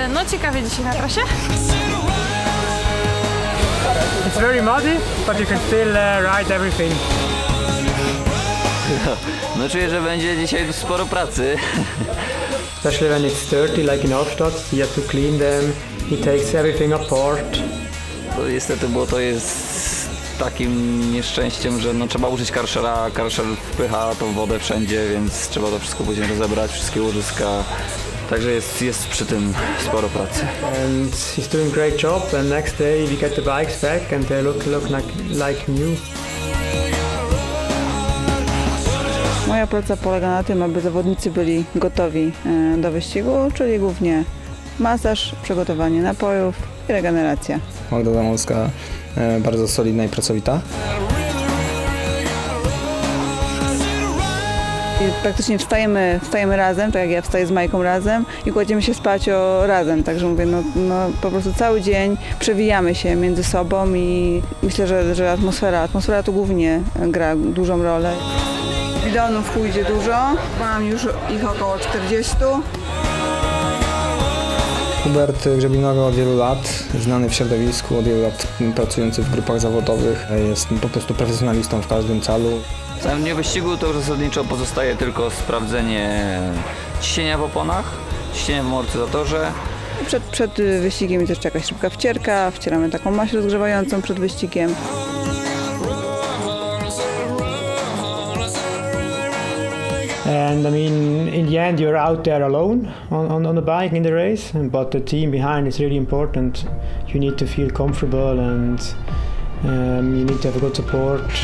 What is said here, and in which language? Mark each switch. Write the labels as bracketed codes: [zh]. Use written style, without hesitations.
[pl] Ciekawie dzisiaj na trasie. [en] It's very muddy, but you can still ride everything. [pl] No czuję, że będzie dzisiaj sporo pracy. [en] Especially when it's dirty, like in Hofstadt, you have to clean them, he takes everything apart. [pl] No, niestety, bo to jest takim nieszczęściem, że no, trzeba użyć karszera, karszer wpycha tą wodę wszędzie, więc trzeba to wszystko później rozebrać, wszystkie łożyska. Także jest przy tym sporo pracy. [en] And he's doing great job and next day we get the bikes back and they look like new. [pl] Moja praca polega na tym, aby zawodnicy byli gotowi do wyścigu, czyli głównie masaż, przygotowanie napojów i regeneracja. Magda Zamolska, bardzo solidna i pracowita. I praktycznie wstajemy razem, tak jak ja wstaję z Majką razem i kładziemy się spać razem. Także mówię, no po prostu cały dzień przewijamy się między sobą i myślę, że atmosfera tu głównie gra dużą rolę. Bidonów pójdzie dużo, mam już ich około 40. Hubert Grzebinoga od wielu lat, znany w środowisku, od wielu lat pracujący w grupach zawodowych, jest po prostu profesjonalistą w każdym calu. W samym dniu wyścigu to zasadniczo pozostaje tylko sprawdzenie ciśnienia w oponach, ciśnienia w amortyzatorze. Przed wyścigiem jest jeszcze jakaś szybka wcierka, wcieramy taką maść rozgrzewającą przed wyścigiem. [en] And I mean, in the end, you're out there alone on the bike in the race, but the team behind is really important. You need to feel comfortable and you need to have a good support.